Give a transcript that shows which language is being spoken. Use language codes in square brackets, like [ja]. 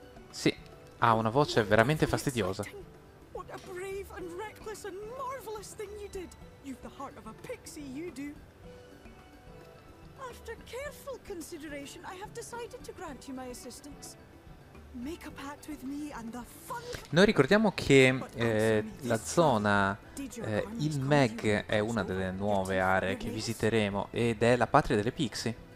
[it] Sì, ha una voce veramente fastidiosa. [en] Che brave and reckless and marvelous thing you did. You've the heart of a pixie, you do. After careful consideration, I have decided to grant you my assistance. Make a pact with me and the fun... [it] Noi ricordiamo che la zona il Meg è una delle nuove aree che visiteremo ed è la patria delle pixie.